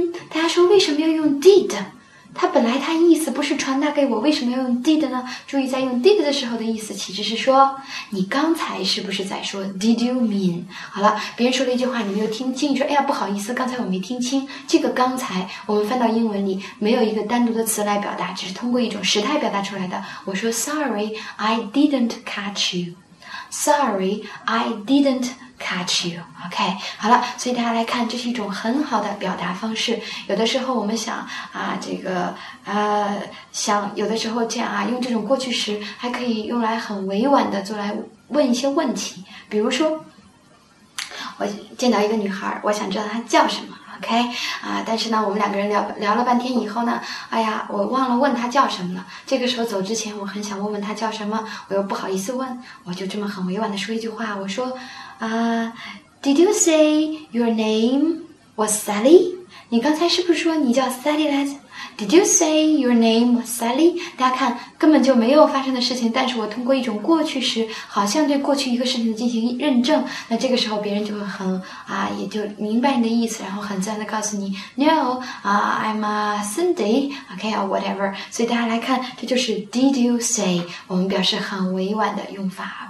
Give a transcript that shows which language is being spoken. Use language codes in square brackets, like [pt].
[zh] 大家说为什么要用 did? 它本来它意思不是传达给我，为什么要用 did 呢？注意在用 did 的时候的意思其实是说，你刚才是不是在说 [en] did you mean? [zh] 好了，别人说了一句话你没有听清，你说哎呀不好意思，刚才我没听清。这个刚才我们翻到英文里没有一个单独的词来表达，只是通过一种时态表达出来的。我说 [en] sorry, I didn't catch you. Sorry, I didn't catch you. [zh] OK， 好了，所以大家来看，这是一种很好的表达方式。有的时候我们想啊，这个想有的时候这样啊，用这种过去时还可以用来很委婉的做来问一些问题。比如说，我见到一个女孩，我想知道她叫什么。 OK， 啊，但是呢，我们两个人聊了半天以后呢，哎呀，我忘了问她叫什么了。这个时候走之前，我很想问问她叫什么，我又不好意思问，我就这么很委婉的说一句话，我说啊。 [en] Did you say your name was Sally? [zh] 你刚才是不是说你叫 Sally 来着？ [en] Did you say your name was Sally? [zh] 大家看，根本就没有发生的事情，但是我通过一种过去时，好像对过去一个事情进行认证。那这个时候别人就会很啊，也就明白你的意思，然后很自然的告诉你 [en] No, I'm a Cindy, okay, or whatever. [zh] 所以大家来看，这就是 [en] Did you say? [zh] 我们表示很委婉的用法。